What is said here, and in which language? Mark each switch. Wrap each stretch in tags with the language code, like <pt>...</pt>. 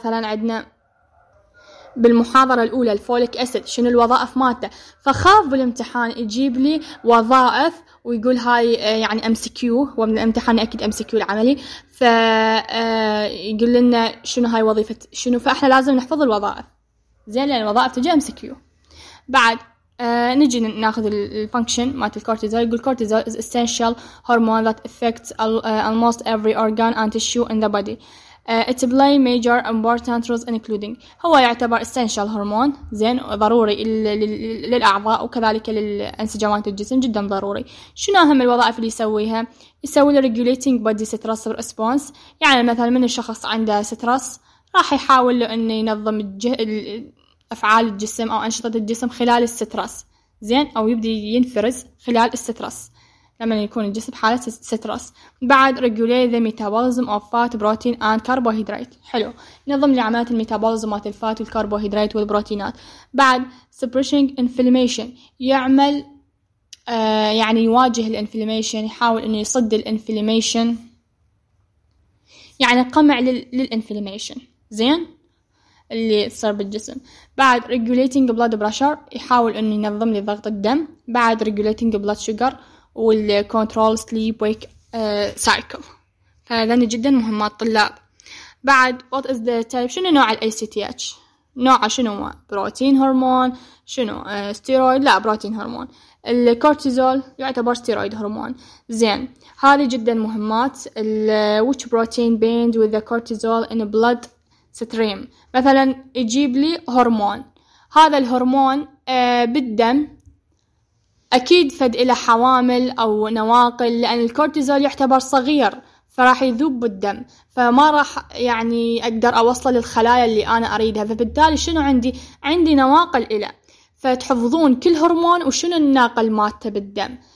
<ar>مثلا عندنا بالمحاضرة الأولى الفوليك أسيد شنو الوظائف مالته، فخاف بالامتحان يجيب لي وظائف ويقول هاي يعني أم سي كيو، ومن الامتحان أكيد أم سي كيو العملي، فيقول لنا شنو هاي وظيفة شنو، فإحنا لازم نحفظ الوظائف زين لأن الوظائف تجي أم سي كيو. بعد نجي ناخذ الفانكشن مالت الكورتيزول، يقول كورتيزول</ar> <en>is essential hormone that affects almost every organ and tissue in the body. It play major important roles including.</en> <ar>هو يعتبر</ar> <en>essential hormone</en> <ar>زين، ضروري للأعضاء وكذلك للأنسجامات الجسم، جدا ضروري. شنو أهم الوظائف اللي يسويها؟ يسوي</ar> <en>regulating body stress response،</en> <ar>يعني مثلا من الشخص عنده stress راح يحاول له أن ينظم أفعال الجسم أو أنشطة الجسم خلال stress زين، أو يبدي ينفرز خلال stress لما يكون الجسم حالة سترس. بعد</ar> <en>regulate the metabolism of fat, protein and carbohydrate،</en> <ar>حلو نظم لعمليات الميتابوليزم مالت الفات والكربوهيدرات والبروتينات. بعد</ar> <en>suppression inflammation،</en> <ar>يعمل يعني يواجه الانفلاميشن، يحاول انه يصد الانفلاميشن يعني قمع للانفلاميشن زين اللي صار بالجسم. بعد</ar> <en>regulating blood pressure،</en> <ar>يحاول انه ينظم لضغط الدم. بعد</ar> <en>regulating blood sugar</en> <ar>وال</ar> <en>control sleep wake cycle،</en> <ar>فهذان جدا مهمات الطلاب. بعد</ar> <en>what is the type،</en> <ar>شنو نوع ال ACTH، نوع شنو هو؟ بروتين هرمون شنو؟ ستيرويد، لا بروتين هرمون. الكورتيزول يعتبر ستيرويد هرمون زين. هذه جدا مهمات ال</ar> <en>which protein bind with the cortisol in blood stream،</en> <ar>مثلا يجيب لي هرمون، هذا الهرمون بالدم أكيد فد إلى حوامل أو نواقل، لأن الكورتيزول يعتبر صغير فراح يذوب بالدم، فما راح يعني أقدر أوصله للخلايا اللي أنا أريدها، فبالتالي شنو عندي؟ عندي نواقل إلى، فتحفظون كل هرمون وشنو الناقل مالته بالدم.</ar>